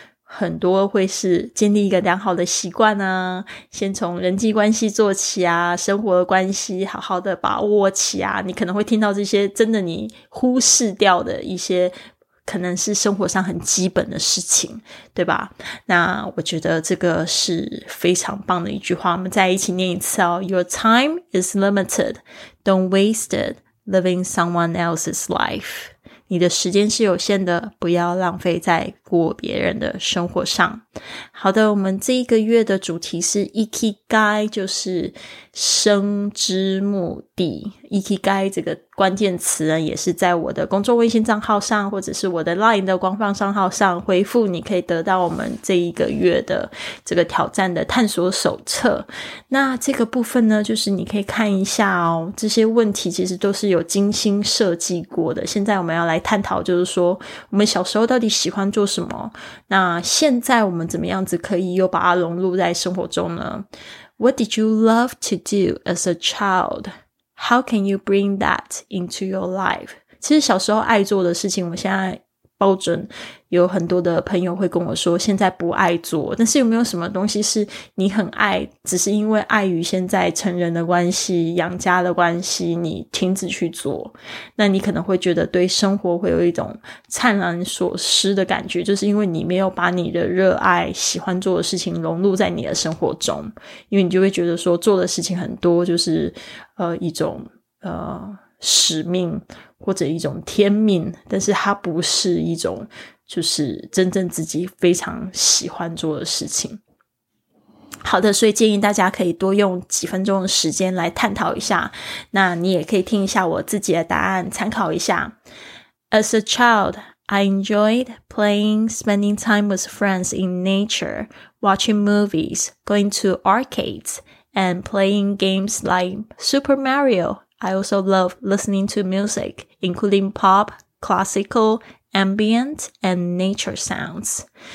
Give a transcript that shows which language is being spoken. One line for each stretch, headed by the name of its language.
Chinese: 很多，会是建立一个良好的习惯啊，先从人际关系做起啊，生活的关系好好的把握起啊，你可能会听到这些真的你忽视掉的一些可能是生活上很基本的事情，对吧？那我觉得这个是非常棒的一句话，我们再一起念一次哦。
English: Your time is limited, don't waste it living someone else's life.
Chinese: 你的时间是有限的，不要浪费在过别人的生活上。好的，我们这一个月的主题是 Ikigai, 就是生之目的。 Ikigai 这个关键词呢，也是在我的公众微信账号上，或者是我的 LINE 的官方账号上回复，你可以得到我们这一个月的这个挑战的探索手册。那这个部分呢，就是你可以看一下哦，这些问题其实都是有精心设计过的。现在我们要来探讨，就是说我们小时候到底喜欢做什么，那现在我们怎么样子可以又把它融入在生活中呢？
English: What did you love to do as a child? How can you bring that into your life?
Chinese: 其实小时候爱做的事情，我现在保准有很多的朋友会跟我说现在不爱做，但是有没有什么东西是你很爱，只是因为碍于现在成人的关系、养家的关系，你停止去做，那你可能会觉得对生活会有一种灿然所失的感觉，就是因为你没有把你的热爱、喜欢做的事情融入在你的生活中，因为你就会觉得说做的事情很多，就是一种使命或者一种天命，但是它不是一种就是真正自己非常喜欢做的事情。好的，所以建议大家可以多用几分钟的时间来探讨一下，那你也可以听一下我自己的答案参考一下。
English: As a child, I enjoyed playing, spending time with friends in nature, watching movies, going to arcades, and playing games like Super Mario. I also love listening to music, including pop, classical, ambient, and nature sounds.